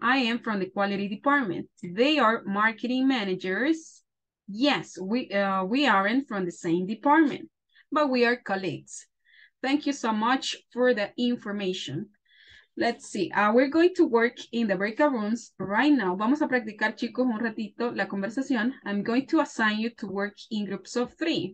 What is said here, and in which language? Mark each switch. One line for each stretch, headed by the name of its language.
English: I am from the quality department. They are marketing managers. Yes, we aren't from the same department, but we are colleagues. Thank you so much for the information. Let's see, we're going to work in the breakout rooms right now.
Spanish: Vamos a practicar, chicos, un ratito la conversación.
English: I'm going to assign you to work in groups of three.